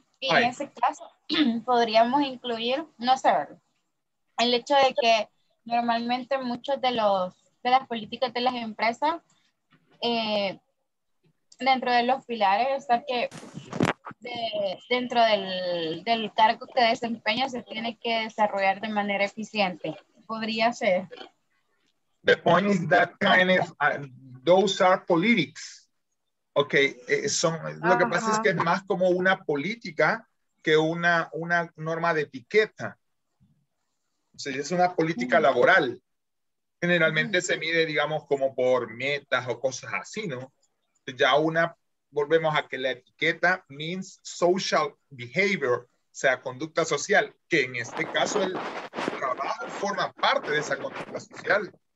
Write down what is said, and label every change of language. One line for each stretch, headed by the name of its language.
Spanish: Y en ese caso, podríamos incluir, no sé, el hecho de que normalmente muchos de los de las políticas de las empresas, dentro de los pilares, está que dentro del cargo que desempeña se tiene que desarrollar de manera eficiente. Podría ser.
English: The point is that kind of those are politics.
Spanish: Okay, lo que pasa es que es más como una política que una norma de etiqueta. O sea, es una política laboral. Generalmente se mide, digamos, como por metas o cosas así, ¿no? Ya una, volvemos a que la etiqueta
English: means social behavior,
Spanish: o sea, conducta social, que en este caso el trabajo forma parte de esa conducta social.